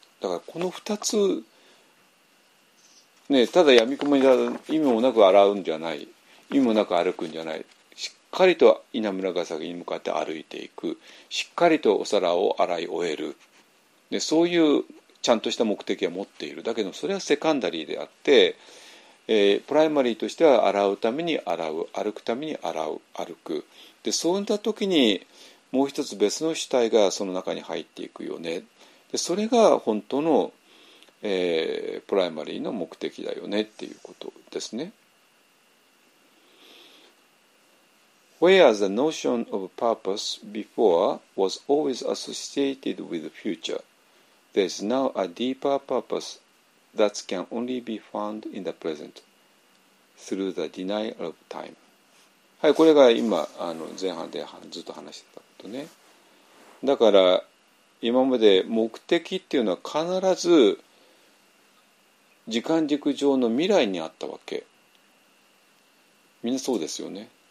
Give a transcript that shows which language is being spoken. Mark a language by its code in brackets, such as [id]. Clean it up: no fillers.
[ja] だからこの2つね、ただやみくもに意味もなく洗うんじゃない、意味もなく歩くんじゃない、しっかりと稲村ヶ崎に向かって歩いていく、しっかりとお皿を洗い終える、でそういうちゃんとした目的は持っている。だけどそれはセカンダリーであって、プライマリーとしては洗うために洗う、歩くために洗う、歩く。でそういった時にもう一つ別の主体がその中に入っていくよね。でそれが本当の、プライマリーの目的だよねっていうことですね。 [en] Whereas the notion of purpose before was always associated with the future, there's now a deeper purpose that can only be found in the present through the denial of time. [ja] はい、これが今あの前半でずっと話してたことね。だから今まで目的っていうのは必ず時間軸上の未来にあったわけ。みんなそうですよね。